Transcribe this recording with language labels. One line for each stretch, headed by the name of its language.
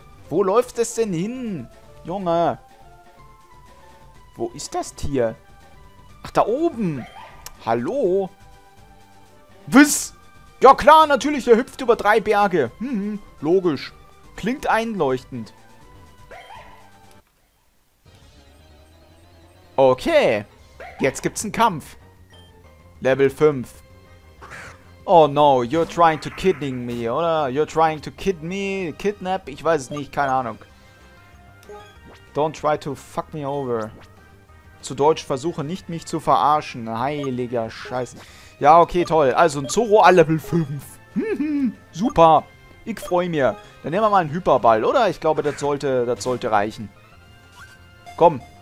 German: Wo läuft es denn hin? Junge. Wo ist das Tier? Ach, da oben. Hallo? Was? Ja klar, natürlich, er hüpft über drei Berge. Hm, logisch. Klingt einleuchtend. Okay. Jetzt gibt's einen Kampf. Level 5.
English: Oh no, you're trying to kidding me, oder? You're trying to kid me, kidnap?
German: Ich weiß es nicht, keine Ahnung.
English: Don't try to fuck me over.
German: Zu Deutsch, versuche nicht mich zu verarschen. Heiliger Scheiß. Ja, okay, toll. Also ein Zoroa Level 5. Super. Ich freue mich. Dann nehmen wir mal einen Hyperball, oder? Ich glaube, das sollte reichen. Komm.